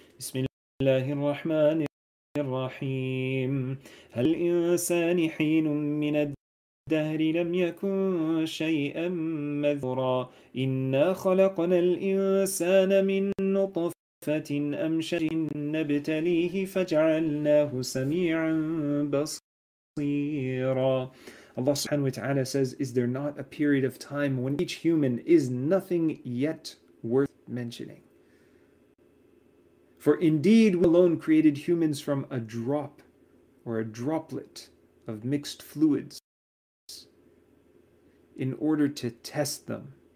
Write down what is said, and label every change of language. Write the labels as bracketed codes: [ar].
[ar] Bismillahir Rahmanir الرحيم. هل إنسان حين من الدهر لم يكن شيئا مذكورا إنا خلقنا الإنسان من نطفة أمشاج نبتليه فجعلناه سميعا بصيرا. [en] Allah subhanahu wa ta'ala says, is there not a period of time when each human is nothing yet worth mentioning? For indeed, we alone created humans from a drop or a droplet of mixed fluids in order to test them.